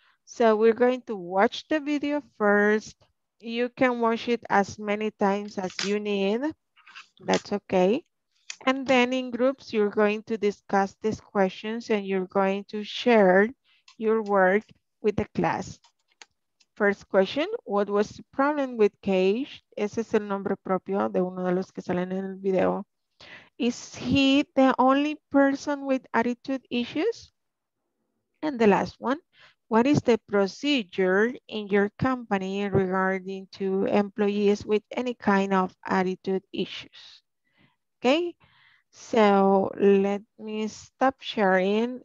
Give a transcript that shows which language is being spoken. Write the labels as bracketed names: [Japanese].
[English] So we're going to watch the video first. You can watch it as many times as you need. That's okay. And then in groups, you're going to discuss these questions and you're going to share your work with the class. First question, what was the problem with Cage? [Spanish] Ese es el nombre propio de uno de los que salen en el video. [English] Is he the only person with attitude issues? And the last one, what is the procedure in your company regarding to employees with any kind of attitude issues? Okay, so let me stop sharing.